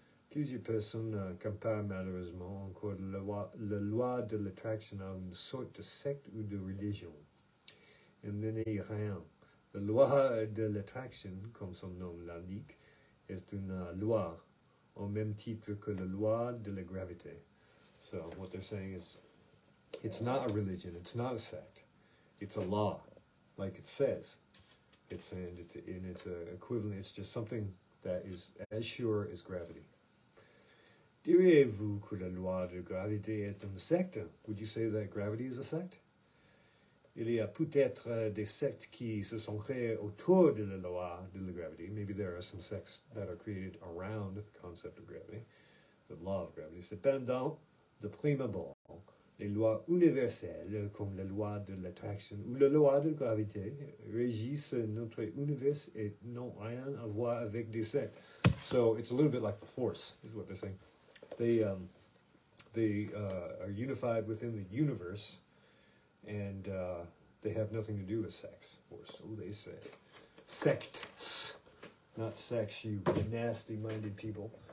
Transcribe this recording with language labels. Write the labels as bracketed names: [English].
[French] Plusieurs personnes comparent malheureusement encore la loi de l'attraction à une sorte de secte ou de religion. Et ce n'est rien. La loi de l'attraction, comme son nom l'indique, est une loi, au même titre que la loi de la gravité. [English] So, what they're saying is, it's not a religion, it's not a sect, it's a law, like it says. It's an equivalent, it's just something that is as sure as gravity. [French] Diriez-vous que la loi de gravité est une secte? [English] Would you say that gravity is a sect? [French] Il y a peut-être des sectes qui se sont créées autour de la loi de la gravité. [English] Maybe there are some sects that are created around the concept of gravity, the law of gravity. [French] Cependant, de prime abord, les lois universelles comme la loi de l'attraction ou la loi de gravité régissent notre univers et n'ont rien à voir avec des sectes. [English] So it's a little bit like the force, is what they're saying. They are unified within the universe, and they have nothing to do with sex, or so they say. Sects, not sex, you nasty-minded people.